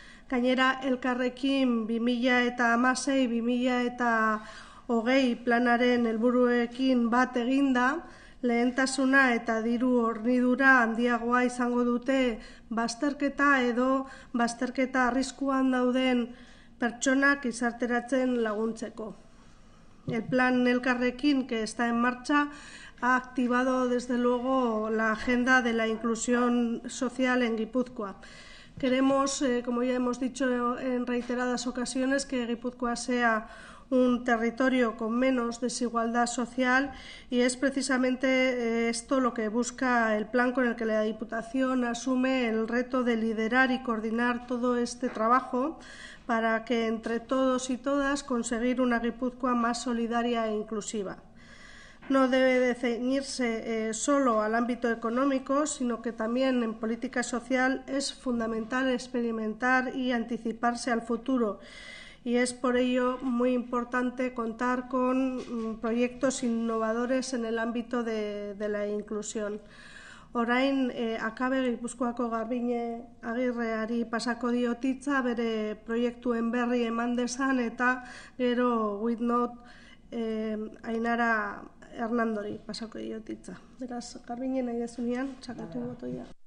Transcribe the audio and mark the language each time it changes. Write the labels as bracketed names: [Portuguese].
[Basque] Gainera, elkarrekin 2016-2020 planaren helburuekin bat eginda, lehentasuna eta diru hornidura handiagoa izango dute bazterketa edo bazterketa arriskuan dauden pertsonak gizarteratzen laguntzeko. [Spanish] El plan Elkarrekin, que está en marcha, ha activado desde luego la agenda de la inclusión social en Gipuzkoa. Queremos, como ya hemos dicho en reiteradas ocasiones, que Gipuzkoa sea un territorio con menos desigualdad social y es precisamente esto lo que busca el plan con el que la Diputación asume el reto de liderar y coordinar todo este trabajo para que entre todos y todas conseguir una Gipuzkoa más solidaria e inclusiva. No debe de ceñirse solo al ámbito económico, sino que también en política social es fundamental experimentar y anticiparse al futuro. Y es por ello muy importante contar con proyectos innovadores en el ámbito de la inclusión. [Basque] Orain, Akabe Gipuzkoako Garbine Agirreari pasako diot hitza, bere proiektuen berri eman dezan, eta gero With Note Ainara Hernandori pasako diot hitza. Beraz, Garbine, nahi dezunean, txakatu botoia.